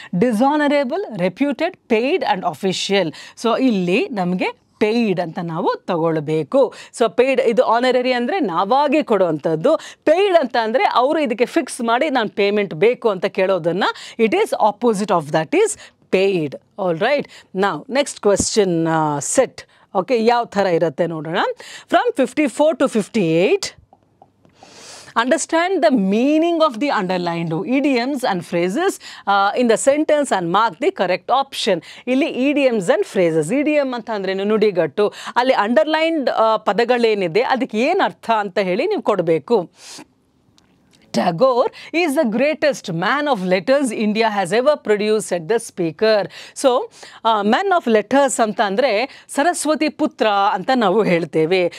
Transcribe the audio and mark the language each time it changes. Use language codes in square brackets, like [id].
[kn] ಡಿಸಾನರೇಬಲ್, reputed, paid and official. So ಇಲ್ಲಿ ನಮಗೆ paid ಅಂತ ನಾವು ತಗೊಳ್ಬೇಕು. ಸೊ ಪೇಯ್ಡ್ ಇದು ಆನರರಿ ಅಂದರೆ ನಾವಾಗಿ ಕೊಡುವಂಥದ್ದು. ಪೇಯ್ಡ್ ಅಂತ ಅಂದರೆ ಅವರು ಇದಕ್ಕೆ ಫಿಕ್ಸ್ ಮಾಡಿ ನಾನು ಪೇಮೆಂಟ್ ಬೇಕು ಅಂತ ಕೇಳೋದನ್ನು, [en] It is opposite of that is paid. [kn] All right, ನಾವು ನೆಕ್ಸ್ಟ್ ಕ್ವೆಶ್ಚನ್ ಸೆಟ್. ಓಕೆ, ಯಾವ ಥರ ಇರುತ್ತೆ ನೋಡೋಣ. [en] From 54 to 58, understand the meaning of the underlined idioms and phrases in the sentence and mark the correct option. [kn] ಇಲ್ಲಿ idioms and phrases, idiom ಅಂತ ಅಂದ್ರೇನು, ನುಡಿಗಟ್ಟು. ಅಲ್ಲಿ ಅಂಡರ್ಲೈನ್ಡ್ ಪದಗಳೇನಿದೆ ಅದಕ್ಕೆ ಏನು ಅರ್ಥ ಅಂತ ಹೇಳಿ ನೀವು ಕೊಡಬೇಕು. [en] Tagore is the greatest man of letters India has ever produce at the speaker. [kn] So man of letters ಅಂತ ಅಂದರೆ ಸರಸ್ವತಿ ಪುತ್ರ ಅಂತ ನಾವು ಹೇಳ್ತೇವೆ.